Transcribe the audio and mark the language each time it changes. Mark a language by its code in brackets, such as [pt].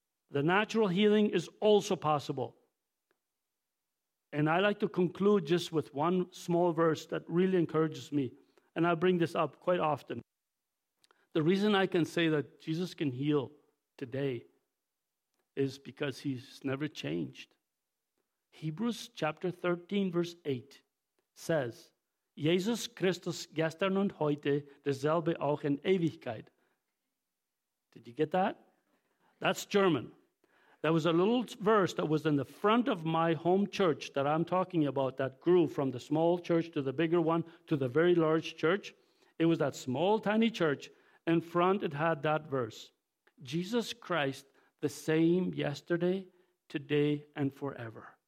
[en] The natural healing is also possible. And I like to conclude just with one small verse that really encourages me. And I bring this up quite often. The reason I can say that Jesus can heal today is because he's never changed. Hebrews chapter 13 verse 8 says, [de] Jesus Christus gestern und heute derselbe auch in Ewigkeit. [en] Did you get that? That's German. There was a little verse that was in the front of my home church that I'm talking about that grew from the small church to the bigger one to the very large church. It was that small, tiny church. In front, it had that verse. Jesus Christ, the same yesterday, today, and forever.